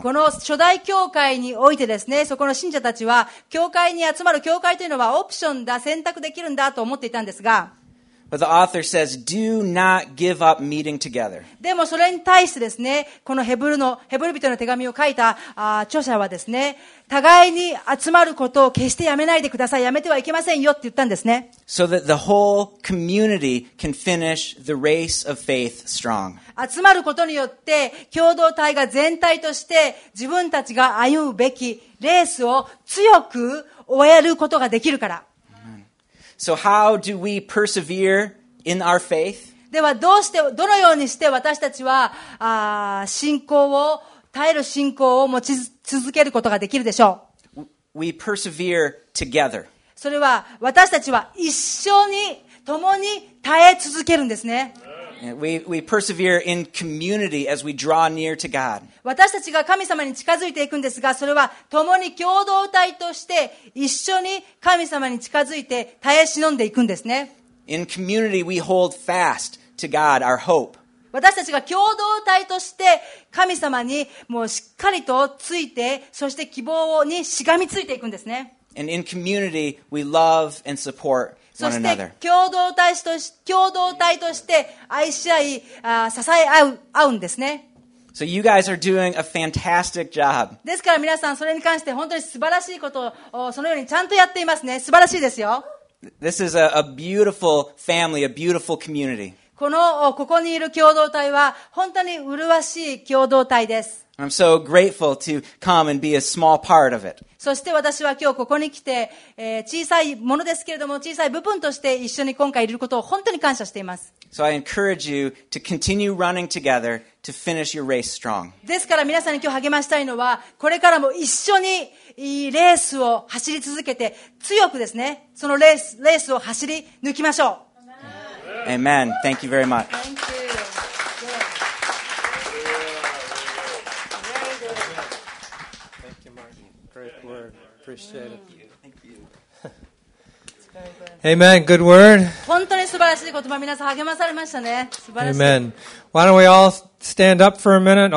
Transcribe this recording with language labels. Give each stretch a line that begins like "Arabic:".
Japanese: この初代教会においてですね、そこの信者たちは、教会に集まる教会というのはオプションだ、選択できるんだと思っていたんですが、
English: But the author says, do not give up meeting together.
Japanese: でもそれに対してですね、このヘブル人の手紙を書いた著者はですね、互いに集まることを決してやめないでください。やめてはいけませんよって言ったんですね。
English: So that the whole community can finish the race of faith strong.
Japanese: 集まることによって、共同体が全体として自分たちが歩むべきレースを強く終えることができるから。
English: So how do we persevere in our faith?
Japanese: ではどうしてどのようにして私たちは信仰を耐える信仰を持ち続けることができるでしょう。
English: We persevere together.
Japanese: それは私たちは一緒に共に耐え続けるんですね。
English: We persevere in community as we draw near to God.
Japanese: 私たちが神様に近づいていくんですが、それは共に共同体として一緒に神様に近づいて耐え忍んでいくんですね。
English: In community, we hold fast to God, our hope.
Japanese: 私たちが共同体として神様にもうしっかりとついて、そして希望にしがみついていくんですね。
English: And in community, we love and support.
Japanese: そして共同体として愛し合い、支え合うんですね。
English: So you guys are doing a fantastic job.
Japanese: ですから皆さんそれに関して本当に素晴らしいことをそのようにちゃんとやっていますね。素晴らしいですよ。
English: This is a beautiful family, a beautiful community.
Japanese: このここにいる共同体は本当に麗しい共同体です。
English: I'm so grateful to come and be a small part of it.
Japanese: そして私は今日ここに来て、小さいものですけれども小さい部分として一緒に今回いることを本当に感謝しています。
English: So I encourage you to continue running together to finish your race strong.
Japanese: ですから皆さんに今日励ましたいのはこれからも一緒にレースを走り続けて強くですね、そのレースを走り抜きましょう。
English: Amen. Thank you very much. Thank you. Amen. Good word.
Japanese: 本当に素晴らしい言葉、皆さん励まされましたね。素晴らしい。
English: Amen. Why don't we all stand up for a minute?